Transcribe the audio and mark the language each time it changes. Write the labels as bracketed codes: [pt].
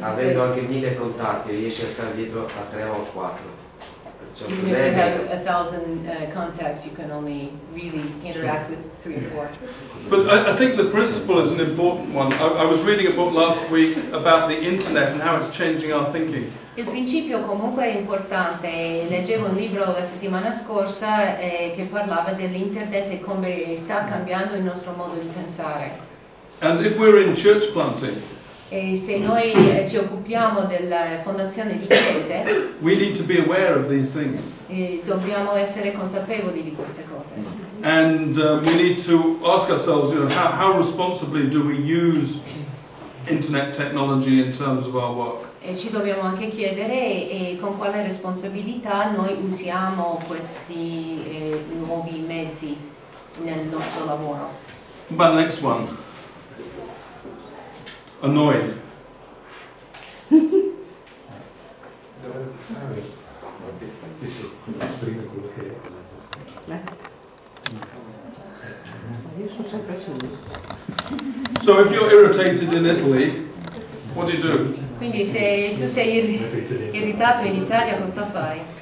[it] Avendo anche 1000 contatti riesci a stare dietro a 3 o 4. [en] If you have 1000 contacts, you can only really interact with 3 or 4. But I think the principle is an important one. I was reading a book last week about the internet and how it's changing our thinking. [it] Il principio comunque è importante. Leggevo un libro la settimana scorsa che parlava dell'internet e come sta cambiando il nostro modo di pensare. [en] And if we're in church planting, [it] e se noi ci occupiamo della fondazione di chiese, [en] we need to be aware of these things. [it] E dobbiamo essere consapevoli di queste cose. [en] And we need to ask ourselves, you know, how responsibly do we use internet technology in terms of our work? [it] E ci dobbiamo anche chiedere con quale responsabilità noi usiamo questi nuovi mezzi nel nostro lavoro. [en] But next one. Annoyed. So if you're irritated in Italy, what do you do? [it] Quindi se tu sei irritato in Italia, cosa fai?